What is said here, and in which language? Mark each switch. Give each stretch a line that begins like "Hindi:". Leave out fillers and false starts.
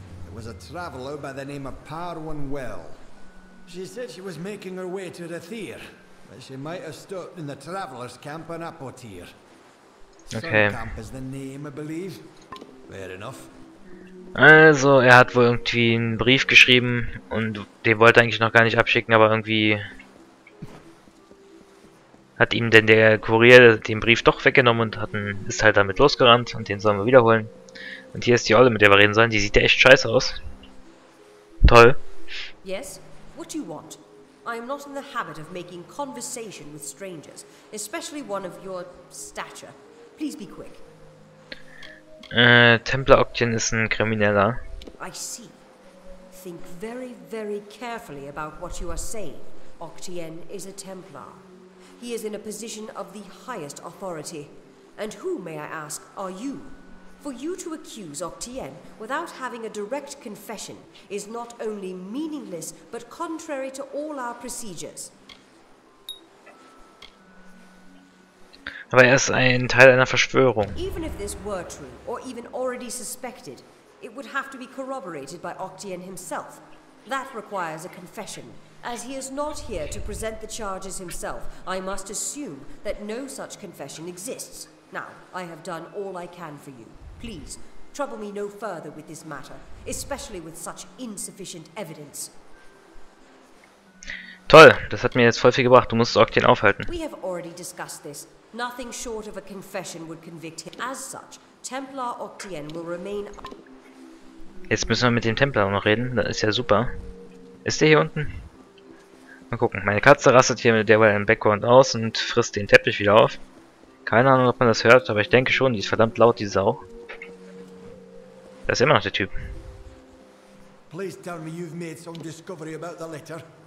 English: There was a traveler by the name of Parwin Well. She said she was making her way to Rathir, but she might have stopped in the traveler's camp on Apotir. Okay. Sun camp is the name, I believe. Fair enough.
German: Also, er hat wohl irgendwie einen Brief geschrieben und den wollte er eigentlich noch gar nicht abschicken, aber irgendwie hat ihm denn der Kurier den Brief doch weggenommen und ist halt damit losgerannt und den sollen wir wiederholen. Und hier ist die Olle, mit der wir reden sollen. Die sieht ja echt scheiße aus. Toll.
English: Yes, what do you want? I am not in the habit of making conversation with strangers, especially one of your stature. Please be quick.
German: Templar Octian ist ein Krimineller.
English: I see. Think very, very carefully about what you are saying. Octian is a Templar. He is in a position of the highest authority. And who, may I ask, are you? For you to accuse Octian without having a direct confession is not only meaningless, but contrary to all our procedures.
German: Aber er ist ein Teil einer Verschwörung.
English: Even if this were true, or even already suspected, it would have to be corroborated by Octian himself. That requires a confession. As he is not here to present the charges himself, I must assume that no such confession exists. Now, I have done all I can for you. Please, trouble me no further with this matter, especially with such insufficient evidence.
German: Toll, das hat mir jetzt voll viel gebracht. Du musst Octian aufhalten.
English: We have already discussed this. Nothing short of a confession would convict him. As such, Templar Octian will remain.
German: Jetzt müssen wir mit dem Templar noch reden. Das ist ja super. Ist der hier unten? Mal gucken. Meine Katze rastet hier mit der im Background aus und frisst den Teppich wieder auf. Keine Ahnung, ob man das hört, aber ich denke schon, die ist verdammt laut, die Sau. Das ist immer noch der Typ.
English: Please tell me you've made some discovery about the letter.